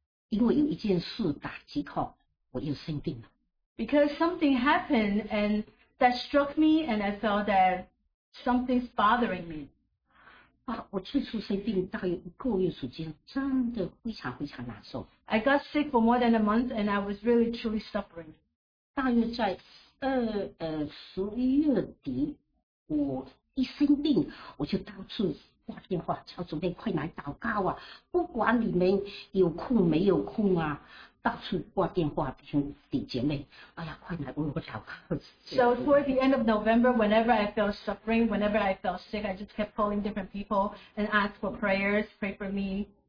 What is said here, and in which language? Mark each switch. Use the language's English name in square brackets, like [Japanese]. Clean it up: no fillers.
[Chinese] 因为有一件事打击后，我又生病了。 [English] Because something happened and that struck me, and I felt that something's bothering me. [Chinese] 啊, 我最初生病大约一个月时间，真的非常非常难受。 [English] I got sick for more than a month, and I was really truly suffering. [Chinese] 大约在十一月底，我一生病，我就到处挂电话，叫准备快来祷告啊！不管你们有空没有空啊。到处挂电话，弟兄姐妹，哎呀，快来为我祷告。 [English] So toward the end of November, whenever I felt suffering, whenever I felt sick, I just kept calling different people and asked for prayers, pray for me.